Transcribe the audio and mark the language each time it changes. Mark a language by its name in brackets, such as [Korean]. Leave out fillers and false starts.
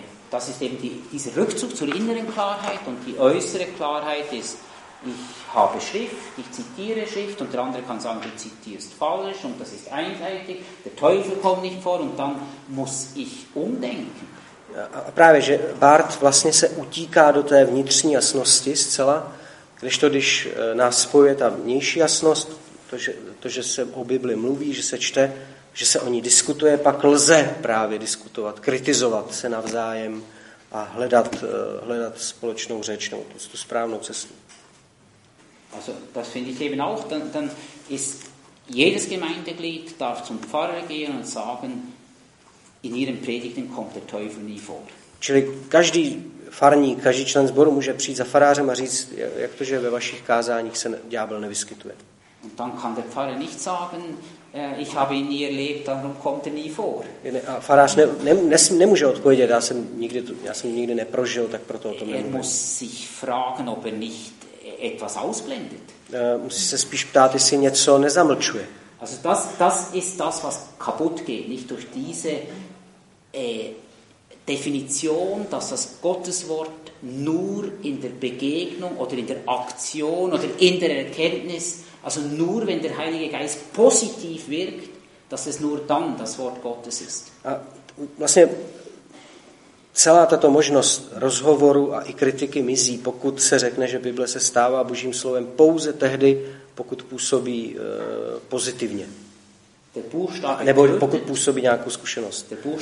[German] Das ist eben dieser Rückzug zur inneren Klarheit und die äußere Klarheit ist, ich habe Schrift, ich zitiere Schrift und der andere kann sagen, du zitierst falsch und das ist einseitig, der Teufel kommt nicht vor und dann muss ich umdenken. [Czech] A právě, že Bart vlastně se utíká do té vnitřní jasnosti zcela, když nás spojuje ta vnější jasnost, to, že se o Bibli mluví, že se čte, že se o ní diskutuje, pak lze právě diskutovat, kritizovat se navzájem a hledat společnou řeč, tu správnou cestu. [German] Also das finde ich eben auch, dann ist jedes Gemeindeglied darf zum Pfarrer gehen und sagen, in ihren Predigten kommt der Teufel nie vor. [Czech] Čili každý farník, každý člen sboru může přijít za farářem a říct, jak to, že ve vašich kázáních se ďábel nevyskytuje. [German] Und dann kann der Pfarrer nicht sagen, ich habe ihn nie erlebt, darum kommt er nie vor. [Czech] A farář nemůže odpovědět, já jsem nikdy neprožil, tak proto o tom nemůže. [German] Er muss sich fragen, ob er nicht etwas ausblendet. [Czech] Musí se spíš ptát, jestli něco nezamlčuje. [German] Also das ist das, was kaputt geht, nicht durch diese Definition, dass das Gotteswort nur in der Begegnung oder in der Aktion oder in der Erkenntnis, also nur wenn der Heilige Geist positiv wirkt, dass es nur dann das Wort Gottes ist. [Czech] Vlastně celá tato možnost rozhovoru a i kritiky mizí, pokud se řekne, že Bible se stává Božím slovem pouze tehdy, pokud působí pozitivně. Nebo pokud působí nějakou zkušenost.